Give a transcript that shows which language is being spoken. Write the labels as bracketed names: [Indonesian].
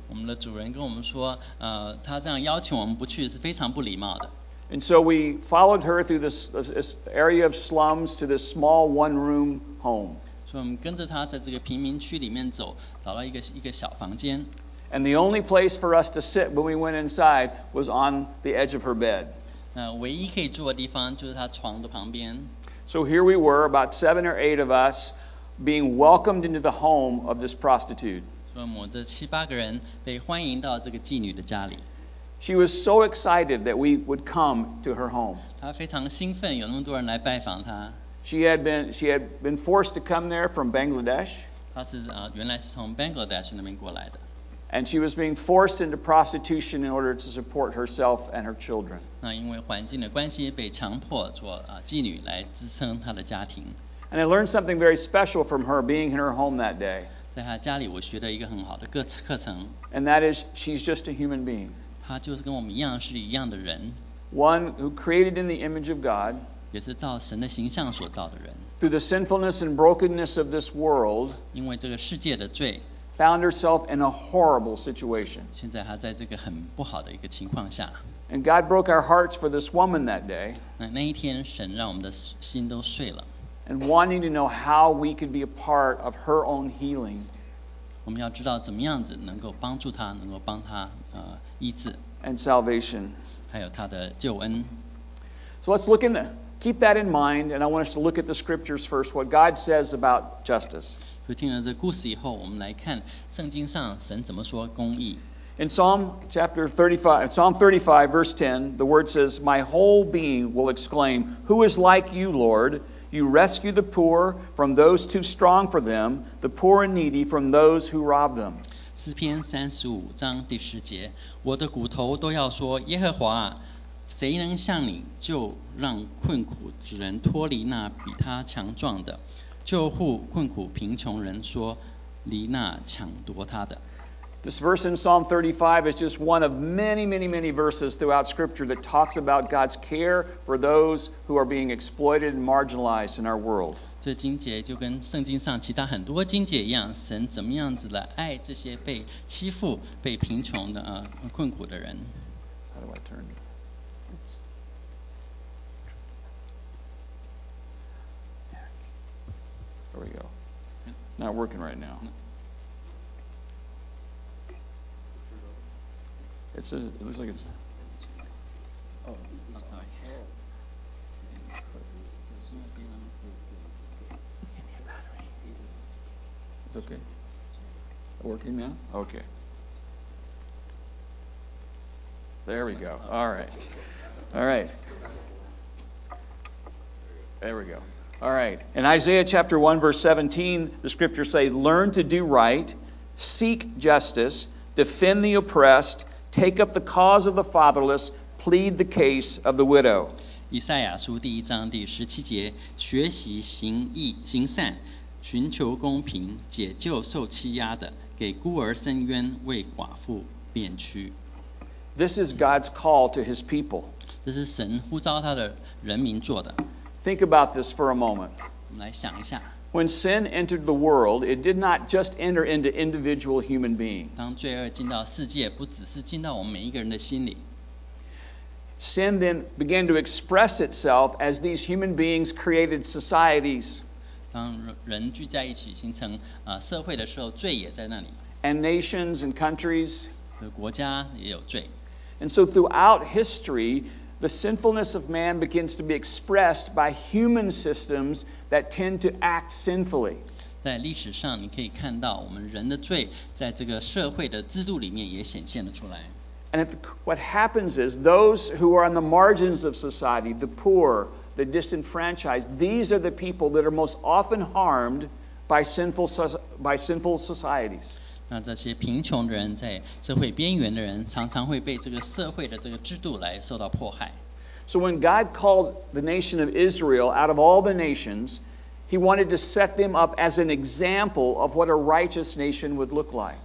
[Chinese] 我们的主人跟我们说，她这样邀请我们不去是非常不礼貌的。 [English] And so we followed her through this area of slums to this small one-room home. [Chinese] 所以我们跟着她在这个贫民区里面走。找到一个小房间。 [English] And the only place for us to sit when we went inside was on the edge of her bed. [Chinese] 唯一可以住的地方就是她床的旁边。 [English] So here we were, about 7 or 8 of us, being welcomed into the home of this prostitute. [Chinese] 所以我们这七八个人被欢迎到这个妓女的家里。 [English] She was so excited that we would come to her home. [Chinese] 她非常兴奋，有那么多人来拜访她。 [English] She had been forced to come there from Bangladesh. [Chinese] 她是原来是从 Bangladesh 那边过来的。 [English] And she was being forced into prostitution in order to support herself and her children. [Chinese] 那因为环境的关系，被强迫做妓女来支撑她的家庭。 [English] And I learned something very special from her being in her home that day. [Chinese] 在她家里，我学到一个很好的课程。 [English] And that is, she's just a human being. [Chinese] 她就是跟我们一样，是一样的人。 [English] One who created in the image of God. [Chinese] 也是照神的形象所造的人。 [English] Through the sinfulness and brokenness of this world, [Chinese] 因为这个世界的罪, [English] found herself in a horrible situation. [Chinese] 现在她在这个很不好的一个情况下。 [English] And God broke our hearts for this woman that day. [Chinese] 那一天神让我们的心都碎了。 [English] And wanting to know how we could be a part of her own healing. [Chinese] 我们要知道怎么样子能够帮助她，能够帮她医治。 [English] And salvation. [Chinese] 还有她的救恩。 [English] So let's look in the... Keep that in mind, and I want us to look at the scriptures first, what God says about justice. [Chinese] 所以听了这故事以后，我们来看圣经上神怎么说公义。 [English] In Psalm 35, verse 10, the word says, "My whole being will exclaim, 'Who is like you, Lord? You rescue the poor from those too strong for them, the poor and needy from those who rob them.'" [Chinese] 诗篇三十五章第十节，我的骨头都要说耶和华。谁能像你就让困苦之人脱离那比他强壮的救护困苦贫穷人说离那抢夺他的 [English] This verse in Psalm 35 is just one of many, many, many verses throughout Scripture that talks about God's care for those who are being exploited and marginalized in our world. [Chinese] 这经节就跟圣经上其他很多经节一样神怎么样子的爱这些被欺负被贫穷的困苦的人 [English] How do I turn it? There we go. Not working right now. It's a, it looks like it's... It's okay. Working now? Okay. There we go. All right. All right. There we go. All right. In Isaiah chapter 1, verse 17, the scriptures say, learn to do right, seek justice, defend the oppressed, take up the cause of the fatherless, plead the case of the widow. [Chinese] 以赛亚书第一章第十七节，学习行义、行善，寻求公平，解救受欺压的，给孤儿伸冤，为寡妇辩屈。 [English] This is God's call to His people. [Chinese] 这是神呼召他的人民做的。 [English] Think about this for a moment. [Chinese] 我们来想一下。 [English] When sin entered the world, it did not just enter into individual human beings. [Chinese] 当罪恶进到世界，不只是进到我们每一个人的心里。 [English] Sin then began to express itself as these human beings created societies. [Chinese] 当人聚在一起形成社会的时候，罪也在那里。 [English] And nations and countries. [Chinese] 国家也有罪。 [English] And so throughout history, the sinfulness of man begins to be expressed by human systems that tend to act sinfully. [Chinese] 在历史上，你可以看到我们人的罪在这个社会的制度里面也显现了出来。 [English] And if, what happens is those who are on the margins of society, the poor, the disenfranchised, these are the people that are most often harmed by sinful societies. [Chinese] 那这些贫穷的人，在社会边缘的人，常常会被这个社会的这个制度来受到迫害。 [English] So when God called the nation of Israel out of all the nations, He wanted to set them up as an example of what a righteous nation would look like.